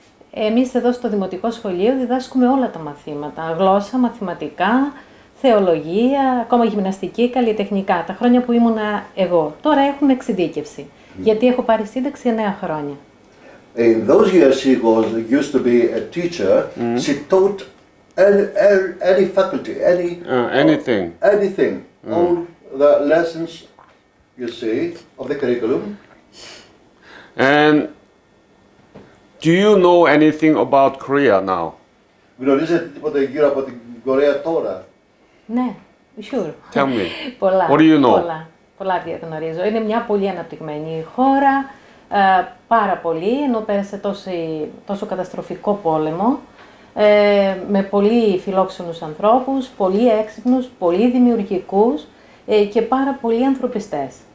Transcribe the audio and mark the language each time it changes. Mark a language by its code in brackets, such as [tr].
[el] Εμείς εδώ στο δημοτικό σχολείο διδάσκουμε όλα τα μαθήματα. Γλώσσα, μαθηματικά, θεολογία, ακόμα γυμναστική, καλλιτεχνικά. Τα χρόνια που ήμουνα εγώ. Τώρα έχουμε εξειδίκευση. Γιατί έχω πάρει σύνταξη 9 χρόνια. [en] In those years she was used to be a teacher. She taught any faculty, anything. Anything. All the lessons, you see, of the curriculum. And do you know anything about Korea now? [el] Γνωρίζετε τίποτα γύρω από την Κορέα τώρα? Ναι, [en] sure. Tell me. [el] Πολλά. [en] What do you know? [el] Πολλά διαγνωρίζω. Είναι μια πολύ αναπτυγμένη χώρα, πάρα πολύ, ενώ πέρασε τόσο καταστροφικό πόλεμο, με πολύ φιλόξενους ανθρώπους, πολύ έξυπνους, πολύ δημιουργικούς και πάρα πολύ ανθρωπιστές.